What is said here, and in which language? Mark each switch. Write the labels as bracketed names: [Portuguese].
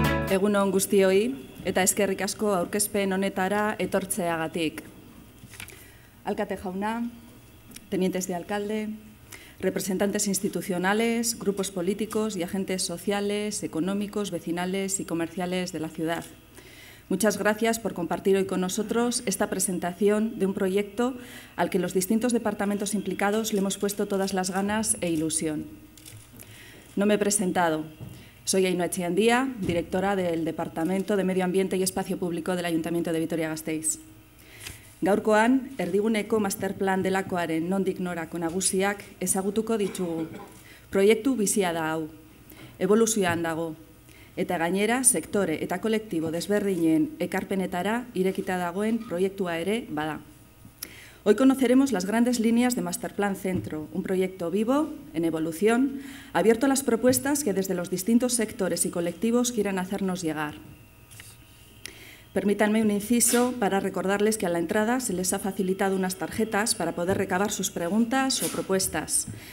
[Basque] Egunon guztioi, eta eskerrik asko aurkezpen honetara etortzeagatik. [Spanish] Alkate jauna, tenientes de alcalde, representantes institucionales, grupos políticos y agentes sociales, económicos, vecinales y comerciales de la ciudad. Muchas gracias por compartir hoy con nosotros esta presentación de un proyecto al que los distintos departamentos implicados le hemos puesto todas las ganas e ilusión. No me he presentado. Soy Ainhoa Etxeandía, directora del Departamento de Medio Ambiente y Espacio Público del Ayuntamiento de Vitoria-Gasteiz. [Basque] Gaurkoan, erdiguneko masterplan delakoaren nondik norako nagusiak ezagutuko ditugu. Proiektu bizia da hau, evoluzioan dago, eta gainera sektore eta kolektibo desberdinen ekarpenetara irekita dagoen proiektua ere bada. [Spanish] Hoy conoceremos las grandes líneas de Masterplan Centro, un proyecto vivo, en evolución, abierto a las propuestas que desde los distintos sectores y colectivos quieran hacernos llegar. Permítanme un inciso para recordarles que a la entrada se les ha facilitado unas tarjetas para poder recabar sus preguntas o propuestas.